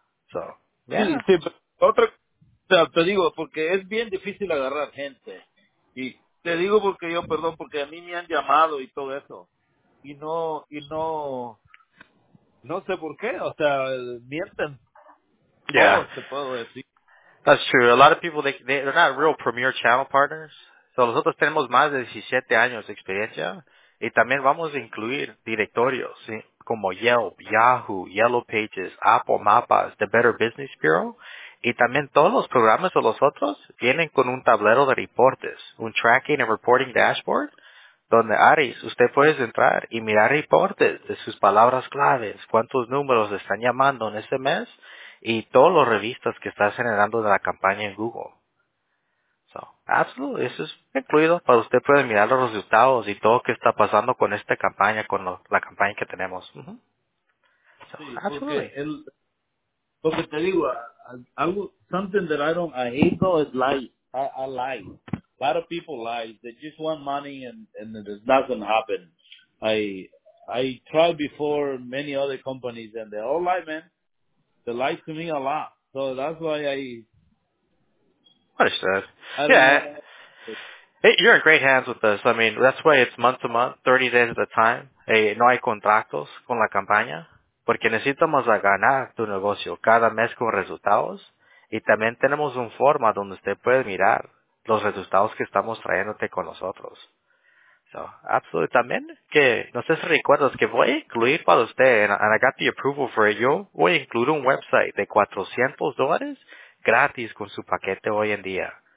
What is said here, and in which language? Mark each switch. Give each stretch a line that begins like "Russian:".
Spanish: Sí, otra, te digo, porque es bien difícil agarrar gente. Y te digo porque yo, perdón, porque a mí me han llamado y todo eso. Y no sé por qué, o sea, mienten. ¿Cómo te puedo decir?
English: That's true. A lot of people, they're not real premier channel partners.
Spanish: So nosotros tenemos más de 17 años de experiencia. Y también vamos a incluir directorios, ¿sí? Como Yelp, Yahoo, Yellow Pages, Apple Mapas, The Better Business Bureau. Y también todos los programas de los otros vienen con un tablero de reportes, un
English: tracking and reporting dashboard,
Spanish: donde, Aries, usted puede entrar y mirar reportes de sus palabras claves, cuántos números están llamando en ese mes, y todos los revistas que está generando de la campaña en Google.
English: So, absolutely,
Spanish: eso es incluido para usted puede mirar los resultados y todo lo que está pasando con esta campaña, con la campaña que tenemos.
English: So,
Spanish: sí,
English: absolutely.
Spanish: Porque te digo, algo,
English: something that I don't, I hate though, is lie. I lie. A lot of people lie. They just want money and it's not going to happen. I tried before many other companies and they all lie, man. They lie to me a lot. So that's why I... Understood. Hey, you're in great hands with us. I mean, that's why it's month to month, 30 days at a time.
Spanish: Hey, no hay contratos con la campaña. Porque necesitamos a ganar tu negocio cada mes con resultados. Y también tenemos un forma donde usted puede mirar los resultados que estamos trayéndote con nosotros.
English: So, absolutely.
Spanish: También, que no sé si recuerdas que voy a incluir para usted,
English: and I got the approval for it,
Spanish: yo voy a incluir un website de $400 gratis con su paquete hoy en día.